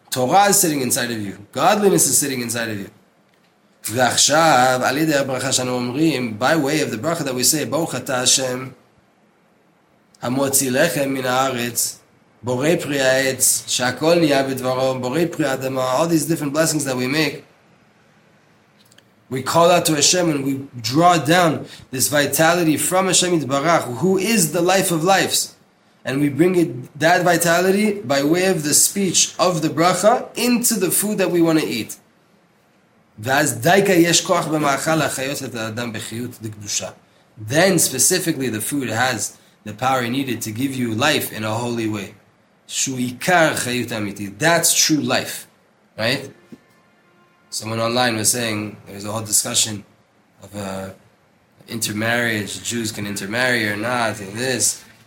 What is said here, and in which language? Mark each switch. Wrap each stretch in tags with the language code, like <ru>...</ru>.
<en>Torah is sitting inside of you. Godliness is sitting inside of you.</en> <he>ועכשיו, על ידי הברכה שאנו אומרים,</he> <en>by way of the bracha that we say,</en> <he>ברוך אתה השם, המוציא לחם מן הארץ, בורא פרי העץ, שהכל נהיה בדברו, בורא פרי האדמה,</he> <en>all these different blessings that we make, we call out to Hashem and we draw down this vitality from Hashem Yitzbarach, who is the life of lives. And we bring it, that vitality by way of the speech of the bracha into the food that we want to eat.</en> <he>ואז דייקה יש כוח במאכל להחיות את האדם בחיות לקדושה.</he> <en>Then specifically the food has the power needed to give you life in a holy way.</en> <he>שהוא עיקר חיות אמיתי.</he> <en>That's true life, right? Someone online was saying, there was a whole discussion of intermarriage, Jews can intermarry or not, and this.</en>